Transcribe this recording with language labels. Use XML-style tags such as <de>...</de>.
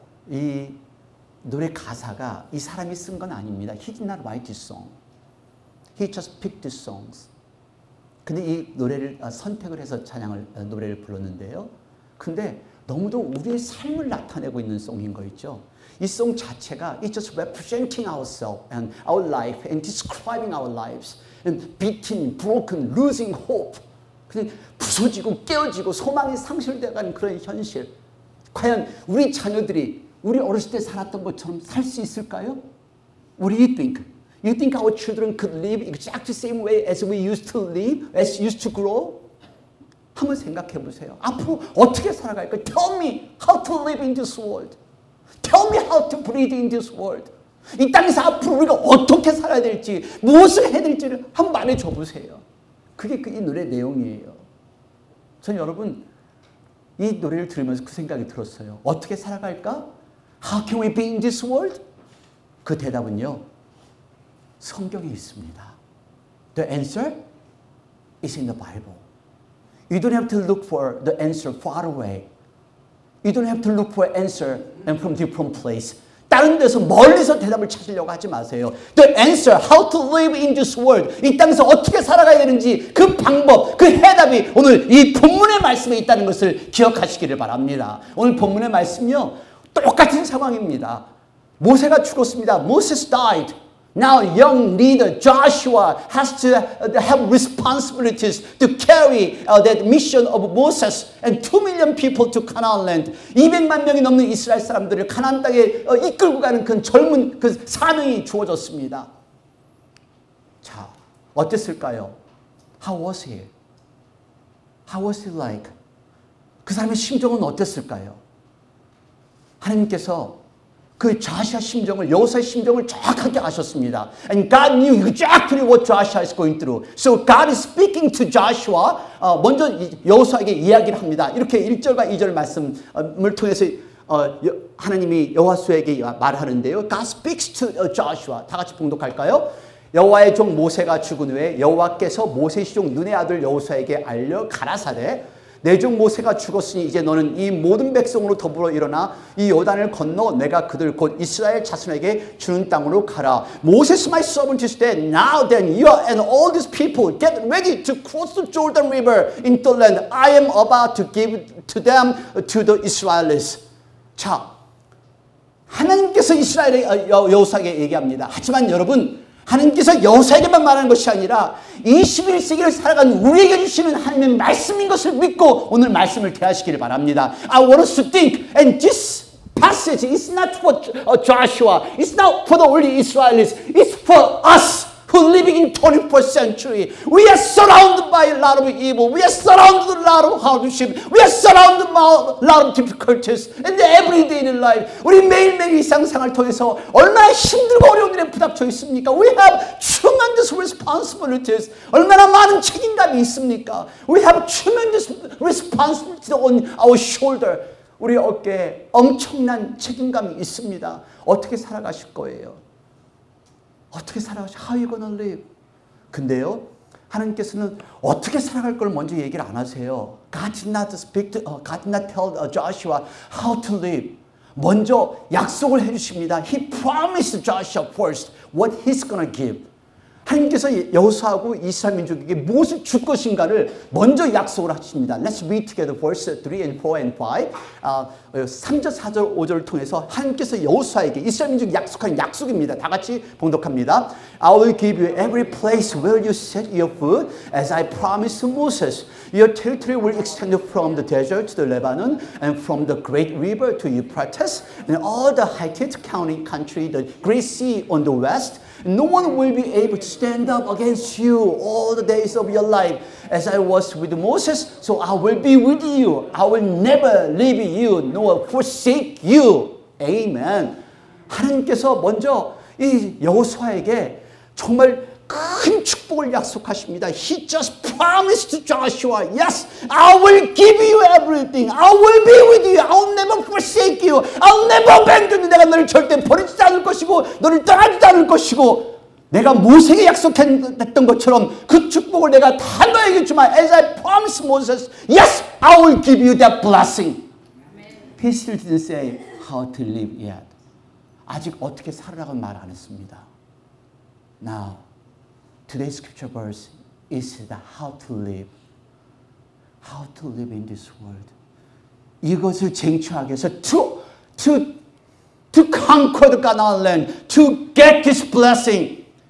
<ko>이 노래 가사가 이 사람이 쓴 건 아닙니다.</ko> <en>He did not write this song. He just picked these songs.</en> <ko>근데 이 노래를 선택을 해서 찬양을 노래를 불렀는데요. 근데 너무도 우리의 삶을 나타내고 있는 송인 거 있죠. 이 송 자체가</ko> <en>It's just representing ourselves and our life and describing our lives and beaten, broken, losing hope.</en> <ko>그냥 부서지고 깨어지고 소망이 상실되어가는 그런 현실. 과연 우리 자녀들이 우리 어렸을 때 살았던 것처럼 살 수 있을까요?</ko> <en>What do you think? You think our children could live exactly the same way as we used to live, as used to grow?</en> <ko>한번 생각해 보세요. 앞으로 어떻게 살아갈까요?</ko> <en>Tell me how to live in this world. Tell me how to breathe in this world.</en> <ko>이 땅에서 앞으로 우리가 어떻게 살아야 될지, 무엇을 해야 될지를 한번 말해줘 보세요. 그게 그 이 노래 내용이에요. 전 여러분, 이 노래를 들으면서 그 생각이 들었어요. 어떻게 살아갈까?</ko> <en>How can we be in this world?</en> <ko>그 대답은요, 성경에 있습니다.</ko> <en>The answer is in the Bible. You don't have to look for the answer far away. You don't have to look for answer and from different place.</en> <ko>다른 데서 멀리서 대답을 찾으려고 하지 마세요.</ko> <en>The answer, how to live in this world.</en> <ko>이 땅에서 어떻게 살아가야 되는지 그 방법, 그 해답이 오늘 이 본문의 말씀에 있다는 것을 기억하시기를 바랍니다. 오늘 본문의 말씀요, 똑같은 상황입니다. 모세가 죽었습니다.</ko> <en>Moses died. Now young leader Joshua has to have responsibilities to carry that mission of Moses and 2 million people to Canaan land.</en> <ko>200만 명이 넘는 이스라엘 사람들을 가나안 땅에 이끌고 가는 그 젊은 그 사명이 주어졌습니다. 자, 어땠을까요?</ko> <en>How was he? How was he like?</en> <ko>그 사람의 심정은 어땠을까요? 하나님께서 그 자샤 심정을, 여호수아의 심정을 정확하게 아셨습니다.</ko> <en>And God knew exactly what Joshua is going through. So God is speaking to Joshua.</en> <ko>먼저 여호수아에게 이야기를 합니다. 이렇게 1절과 2절 말씀을 통해서 하나님이 여호수아에게 말하는데요.</ko> <en>God speaks to Joshua.</en> <ko>다 같이 봉독할까요? 여호와의 종 모세가 죽은 후에 여호와께서 모세의 종 눈의 아들 여호수아에게 알려 가라사대 내 종 모세가 죽었으니 이제 너는 이 모든 백성으로 더불어 일어나 이 요단을 건너 내가 그들 곧 이스라엘 자손에게 주는 땅으로 가라.</ko> <en>Moses, my servant, is dead. Now then, you and all these people get ready to cross the Jordan River into the land I am about to give to them to the Israelites.</en> <ko>자, 하나님께서 이스라엘의 여호수아에게 얘기합니다. 하지만 여러분, 하나님께서 여호수아에게만 말하는 것이 아니라 21세기를 살아간 우리에게 주시는 하나님의 말씀인 것을 믿고 오늘 말씀을 대하시기를 바랍니다.</ko> <en>I want us to think and this passage is not for Joshua. It's not for the only Israelites. It's for us who are living in 21st century. We are surrounded by a lot of evil. We are surrounded by a lot of hardship. We are surrounded by a lot of difficulties in the everyday in life.</en> <ko>우리 매일매일 일상생활 통해서 얼마나 힘들고 어려운 일에 부닥쳐 있습니까?</ko> <en>We have tremendous responsibilities.</en> <ko>얼마나 많은 책임감이 있습니까?</ko> <en>We have tremendous responsibilities on our shoulder.</en> <ko>우리 어깨에 엄청난 책임감이 있습니다. 어떻게 살아가실 거예요? 어떻게 살아가시?</ko> <en>How you gonna live?</en> <ko>근데요, 하나님께서는 어떻게 살아갈 걸 먼저 얘기를 안 하세요.</ko> <en>God did not tell Joshua how to live.</en> <ko>먼저 약속을 해주십니다.</ko> <en>He promised Joshua first what he's gonna give.</en> <ko>하나님께서 여호수아하고 이스라엘 민족에게 무엇을 줄 것인가를 먼저 약속을 하십니다.</ko> <en>Let's read together verse 3 and 4 and 5.</en> <ko>3절, 4절, 5절을 통해서 하나님께서 여호수아에게 이스라엘 민족에 약속한 약속입니다. 다 같이 봉독합니다.</ko> <en>I will give you every place where you set your foot as I promised Moses. Your territory will extend from the desert to the Lebanon and from the great river to Euphrates and all the Hittite county country, the great sea on the west. No one will be able to stand up against you all the days of your life. As I was with Moses, so I will be with you. I will never leave you nor forsake you. Amen.</en> <ko>하나님께서 먼저 이 여호수아에게 정말 큰 축복을 약속하십니다.</ko> <en>He just promised to Joshua, Yes, I will give you everything. I will be with you. I will never forsake you. I will never abandon you.</en> <ko>내가 너를 절대 버리지 않을 것이고 너를 떠나지도 않을 것이고 내가 모세에게 약속했던 것처럼 그 축복을 내가 다 너에게 주마.</ko> <en>As I promised Moses, Yes, I will give you that blessing. He still didn't say how to live yet.</en> <ko>아직 어떻게 살아라고 말 안 했습니다.</ko> <en>Now, Today's scripture verse is the how to live. How to live in this world.</en> <ko>이것을 쟁취하기 위해서</ko> <en>to conquer the Canaan land, to get this blessing.</en>